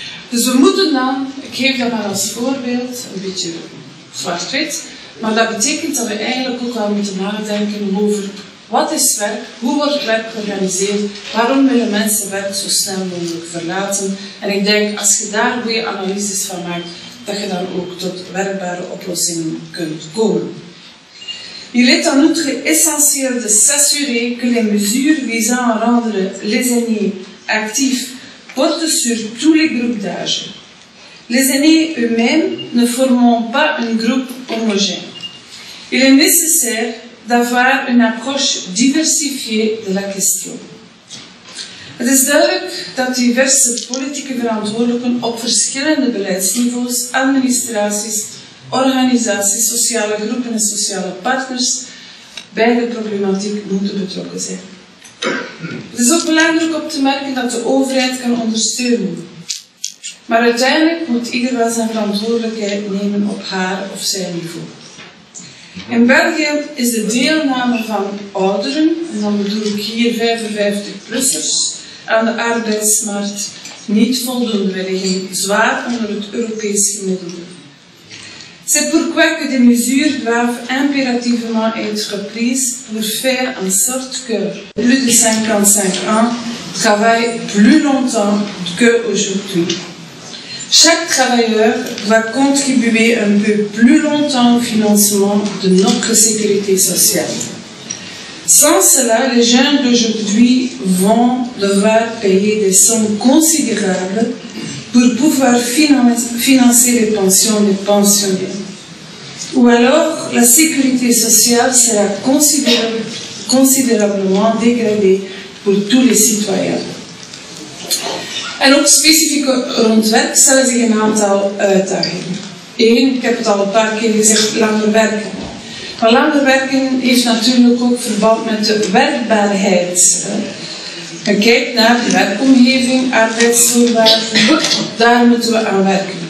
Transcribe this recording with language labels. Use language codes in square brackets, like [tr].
[nl] Dus we moeten dan, ik geef dat maar als voorbeeld, een beetje zwart-wit, maar dat betekent dat we eigenlijk ook wel moeten nadenken over wat is werk, hoe wordt werk georganiseerd, waarom willen mensen werk zo snel mogelijk verlaten. En ik denk, als je daar goede analyses van maakt, dat je dan ook tot werkbare oplossingen kunt komen. [fr] Il est en outre essentiel de s'assurer que les mesures visant à rendre les aînés actifs portent sur tous les groupes d'âge. Les aînés eux-mêmes ne formeront pas un groupe homogène. Il est nécessaire d'avoir une approche diversifiée de la question. [nl] Het is duidelijk dat diverse politieke verantwoordelijken op verschillende beleidsniveaus, administraties, organisaties, sociale groepen en sociale partners bij de problematiek moeten betrokken zijn. Het is ook belangrijk om te merken dat de overheid kan ondersteunen. Maar uiteindelijk moet ieder wel zijn verantwoordelijkheid nemen op haar of zijn niveau. In België is de deelname van ouderen, en dan bedoel ik hier 55-plussers, aan de arbeidsmarkt niet voldoende. Wij liggen zwaar onder het Europees gemiddelde. [fr] C'est pourquoi que des mesures doivent impérativement être prises pour faire en sorte que plus de 55 ans travaillent plus longtemps qu'aujourd'hui. Chaque travailleur doit contribuer un peu plus longtemps au financement de notre sécurité sociale. Sans cela, les jeunes d'aujourd'hui vont devoir payer des sommes considérables pour pouvoir financer les pensions des pensionnés. Ou alors, la sécurité sociale sera considérablement dégradée pour tous les citoyens. [nl] En ook specifiek rond werk stellen zich een aantal uitdagingen. Eén, ik heb het al een paar keer gezegd, langer werken. Maar langer werken heeft natuurlijk ook verband met de werkbaarheid. En kijk naar de werkomgeving, arbeidsvoorwaarden, daar moeten we aan werken.